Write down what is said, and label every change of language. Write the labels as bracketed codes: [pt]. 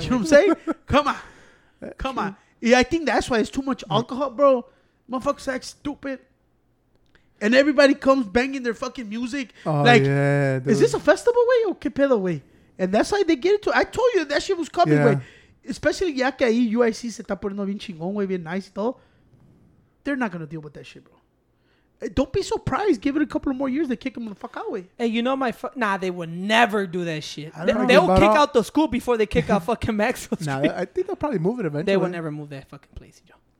[en] You know what I'm saying? Come on. Yeah, I think that's why it's too much alcohol, bro. Motherfuckers act stupid. And everybody comes banging their fucking music. Oh, like, yeah, is this a festival way or Capella way? And that's how they get it to. I told you that shit was coming, yeah. way. [es] Especially ya que ahí UIC se está poniendo bien chingón, way, bien nice, though. [en] They're not going to deal with that shit, bro. Don't be surprised. Give it a couple of more years. They kick them the fuck out, way. Hey, you know my... Nah, they would never do that shit. They'll kick out the school before they kick out fucking Maxwell Street. Nah, I think they'll probably move it eventually. They would never move that fucking place, yo.